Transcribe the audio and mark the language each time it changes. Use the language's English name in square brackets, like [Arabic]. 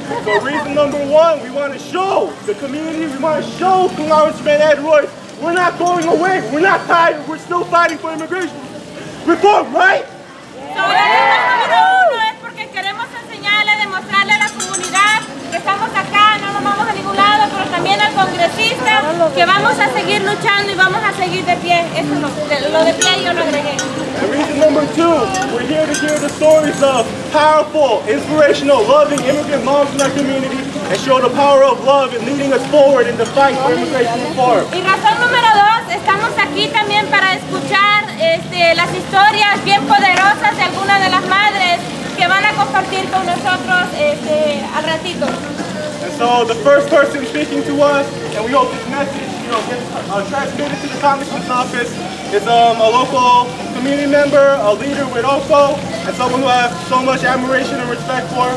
[English] So reason number one, we want to show the community, we want to show Congressman Ed Royce. We're not going away, we're not tired, we're still fighting for immigration reform, right? So reason number one is [Spanish] porque queremos enseñarle, demostrarle a la comunidad que estamos acá, no nos vamos a ningún lado, pero también al congresista que vamos a seguir luchando y vamos a seguir de pie. Eso es lo de pie yo lo agregué. [English] And reason number two, we're here to hear the stories of powerful, inspirational, loving immigrant moms in our community and show the power of love in leading us forward in the fight for immigration reform. [Spanish] Y razón número dos, estamos aquí también para escuchar las historias bien poderosas de algunas de las madres que van a compartir con nosotros al ratito. [English] And so the first person speaking to us, and we hope this message, you know, gets transmitted to the Congressman's office, is a local community member, a leader with OFO, and someone who I have so much admiration and respect for.